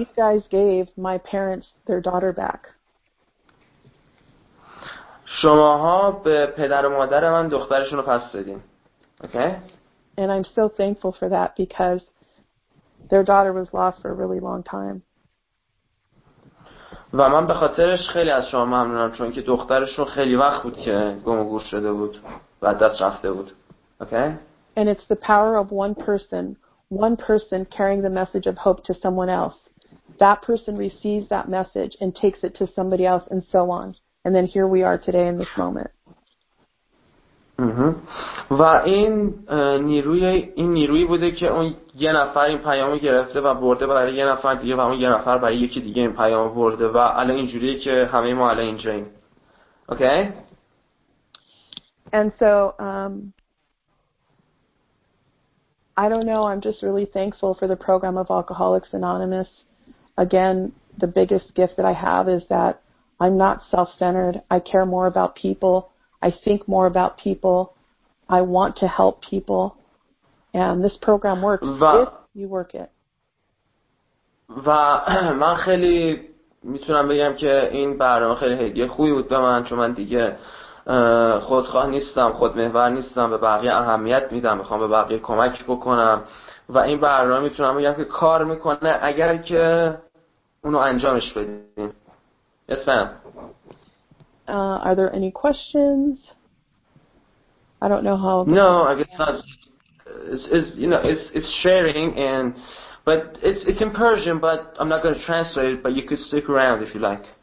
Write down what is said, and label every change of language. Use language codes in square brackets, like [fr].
[en] You guys gave my parents their daughter back. [fa] شماها به پدر و مادر من دخترشون رو پس دادین. [en] Okay? And I'm so thankful for that because their daughter was lost for a really long time. [fa] و من به خاطرش خیلی از شما ممنونم چون که دخترشون خیلی وقت بود که گم و گور شده بود و دست رفته بود. [en] Okay? And it's the power of one person carrying the message of hope to someone else. That person receives that message and takes it to somebody else and so on. And then here we are today in this moment. [fa] و این نیروی این نیرویی بوده که اون یه نفر این پیامو گرفته و برده برای یه نفر دیگه و اون یه نفر برای یکی دیگه این پیامو برده و الان اینجوریه که همه ما الان اینجاییم. [en] Okay? And so I don't know, I'm just really thankful for the program of Alcoholics Anonymous. Again, the biggest gift that I have is that I'm not self-centered. I care more about people. I think more about people. I want to help people. And this program works if you work it. [fa] و من خیلی میتونم بگم که این برنامه خیلی هدیه خوبی بود به من چون من دیگه خودخواه نیستم، خودمحور نیستم، به بقیه اهمیت میدم، میخوام به بقیه کمک بکنم و این برنامه میتونم بگم که کار میکنه اگر که اونو انجامش بدین. [en] Yes, ma'am. Are there any questions? I don't know how. No, I guess not. It's sharing and, but it's in Persian. But I'm not going to translate it. But you could stick around if you like.